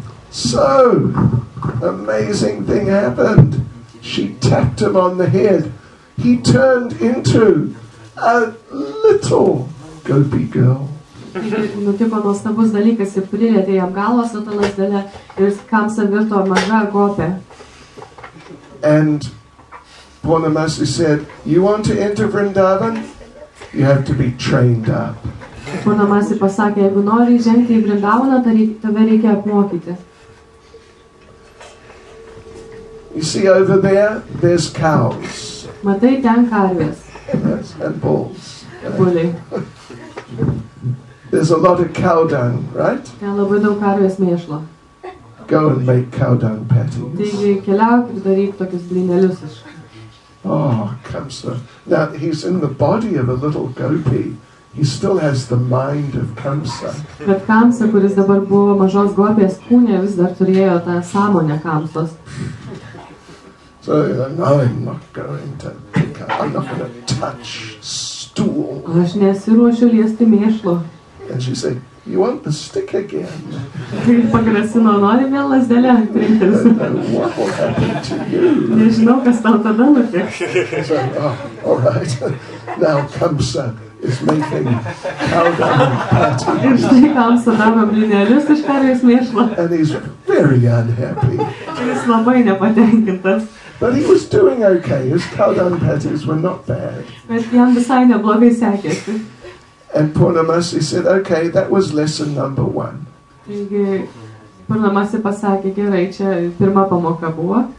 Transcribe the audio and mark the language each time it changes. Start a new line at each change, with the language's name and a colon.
English: So, amazing thing happened. She tapped him on the head. He turned into a little gopi girl.
Lithuanian: Nutiko nuostabus dalykas ir prilietė jam galvą su ta lazdele ir Kamsa virto maža gopė.
English: And Purnamasi said, you want to enter Vrindavan? You have to be trained up.
Lithuanian: Purnamasi pasakė, jeigu nori žengti į Vrindavaną, tave reikia apmokyti.
English: You see over there, there's cows.
Lithuanian: Matai ten karvės.
English: And bulls.
Lithuanian: Bulliai.
English: There's a lot of cow dung, right?
Lithuanian: Ten labai daug karvės mėšlo.
English: Go and make cow dung patties.
Lithuanian: Taigi keliauk ir daryk tokius blynelius iš.
English: Oh, Kamsa. Now, he's in the body of a little gopi. He still has the mind of Kamsa.
Lithuanian: Bet Kamsa, kuris dabar buvo mažos gopės kūne, vis dar turėjo tą sąmonę Kamsos.
English: So, I'm not going to touch stool.
Lithuanian: Aš nesiruošiu liesti mėšlo.
English: And she said, you want the stick again?
Lithuanian: Pagrasino, nori vėl lazdelę trintis.
English: What will happen to you?
Lithuanian: Nežinau, kas tau tada nutiks.
English: So, all right. Now Kamsa is making cowdung patties.
Lithuanian: Ir štai Kamsa daro blynelius iš karvės mėšlo.
English: And he's very unhappy.
Lithuanian: Jis labai nepatenkintas.
English: But he was doing okay. His cowdung patties were not bad.
Lithuanian: Bet jam visai neblogai sekėsi.
English: And Purnamasi said, okay, that was lesson number one.
Lithuanian: Purnamasi pasakė, gerai, čia pirma pamoka buvo.